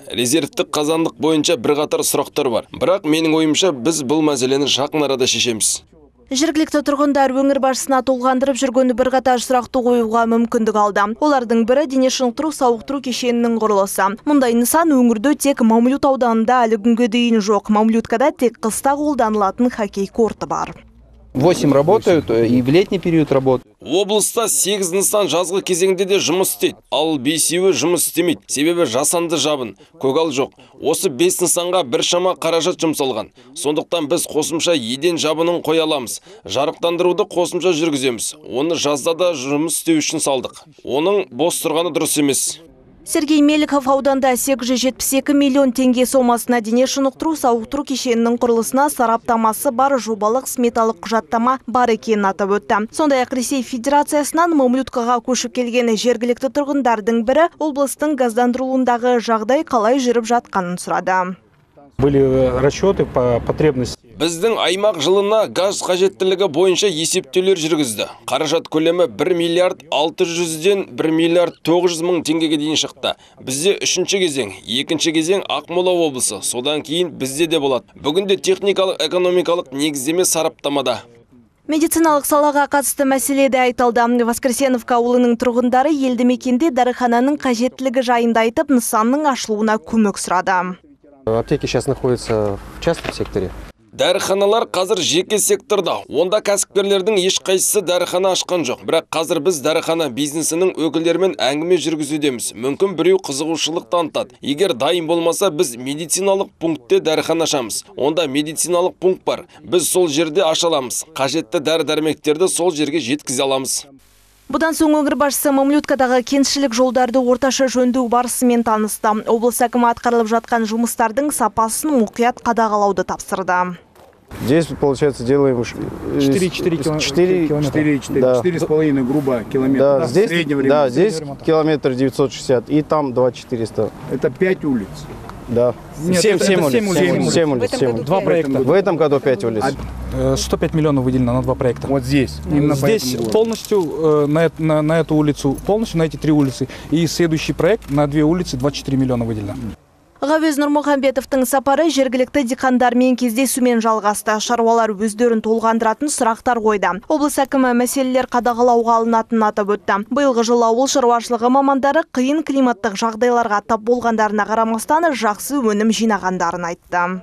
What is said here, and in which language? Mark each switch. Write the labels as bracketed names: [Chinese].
[Kazakh] Резервтік қазандық бойынша бірқатар сұрақтар бар. Бірақ менің ойымша біз бұл мәселені жақын арада шешеміз. Жергілікті тұрғындар өңір басшысына толғандырып жүргені бірқатар сұрақты қоюға мүмкіндік алды. Олардың бірі дене шынықтыру сауықтыру кешенінің құрылысы. Мұндай нысан өңірде тек Мамлют ауданында әлі күнге дейін жоқ. Мамлюткада тек қыста қолданылатын хоккей корты бар. [Russian] 8 работают и в летний период работают. В области [Kazakh] 8 нысан жазгы кезеңде де жұмыс істейді. Ал 5-сеуі жұмыс істемейді. Себебі жасанды жабын, көгал жоқ. Осы 5 нысанға бір шама қаражат жұмсалған. Сондықтан біз қосымша еден жабының қоя аламыз. Жарықтандыруды қосымша жүргіземіз. Оны жазда да жұмыс істеу үшін салдық. Оның бос тұрғаны дұрыс емес. Сергей Меликов ауданда 872 миллион тенге сомасына дене шынықтыру сауықтыру кешенінің құрылысына сараптамасы бар жобалық сметалық құжаттама бар екенін атап өтті. Сондай ақ Ресей Федерациясынан Мамлюткаға көшіп келген жергілікті тұрғындардың бірі облыстың газдандырылуындағы жағдай қалай жүріп жатқанын сұрады. [Russian] Были расчеты по потребности. [Kazakh] Біздің аймақ жылына газ қажеттілігі бойынша есептеулер жүргізді. Қаражат көлемі 1 миллиард 600-ден 1 миллиард 900 мың теңгеге дейін шықты. Бізде үшінші кезең, екінші кезең Ақмола облысы, содан кейін бізде де болады. Бүгінде техникалық экономикалық негіздеме сараптамада. Медициналық салаға қатысты мәселе де айталды. Воскресеновка ауылының тұрғындары елді мекенде дәріхананың қажеттілігі жайында айтып, нысанның ашылуына көмек сұрады. [Russian] Аптеки сейчас находятся в частном секторе. [Kazakh] Дәріханалар қазір жеке секторда. Онда кәсіпкерлердің ешқайсысы дәріхана ашқан жоқ. Бірақ қазір біз дәріхана бизнесінің өкілдерімен әңгіме жүргізудеміз. Мүмкін біреу қызығушылық танытады. Егер дайын болмаса, біз медициналық пунктте дәріхана ашамыз. Онда медициналық пункт бар. Біз сол жерде ашаламыз. Қажетті дәрі-дәрмектерді сол жерге жеткізе аламыз. Бұдан соң өңір басшысы Мамлюткадағы кеншілік жолдарды орташа жөндеу барысымен танысты. Облыс әкімі атқарылып жатқан жұмыстардың сапасын мұқият қадағалауды тапсырды. [Russian] Здесь получается делаем 4,5 грубо километра. Да, да, здесь, время, да, здесь километр 960 и там 2400. Это 5 улиц. Да. Нет, 7 улиц. 7 улиц. Два проекта. В этом году 5 улиц. 105 миллионов выделено на два проекта. Вот здесь. Именно здесь по этому полностью на эту улицу, полностью на эти три улицы. И следующий проект на две улицы 24 миллиона выделено. [Kazakh] Ғавез Нұрмұхамбетовтың сапары жергілікті диқандармен кездесумен жалғасты. Шаруалар өздерін толғандыратын сұрақтар қойды. Облыс әкімі мәселелер қадағалауға алынатынын атап өтті. Биылғы жылы ауыл шаруашылығы мамандары қиын климаттық жағдайларға тап болғандарына қарамастан жақсы өнім жинағандарын айтты.